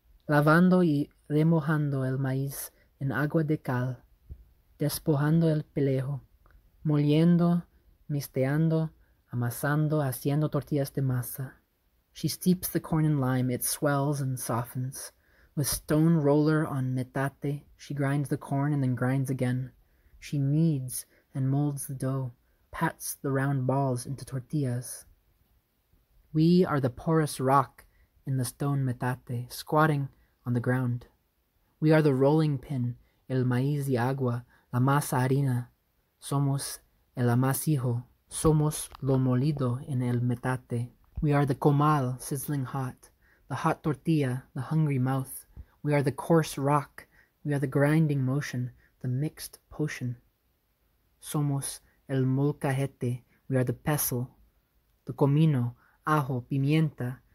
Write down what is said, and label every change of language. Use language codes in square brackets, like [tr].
[es] Lavando y remojando el maíz en agua de cal, despojando el pelejo, moliendo, misteando, amasando, haciendo tortillas de masa. [en] She steeps the corn in lime, it swells and softens. With stone roller on metate, she grinds the corn and then grinds again. She kneads and molds the dough, pats the round balls into tortillas. We are the porous rock in the stone metate, squatting on the ground. We are the rolling pin, [es] el maíz y agua, la masa harina. Somos el amasijo, somos lo molido en el metate. [en] We are the comal, sizzling hot, the hot tortilla, the hungry mouth. We are the coarse rock, we are the grinding motion, the mixed potion. [es] Somos el molcajete, [en] we are the pestle, the comino, ajo, pimienta.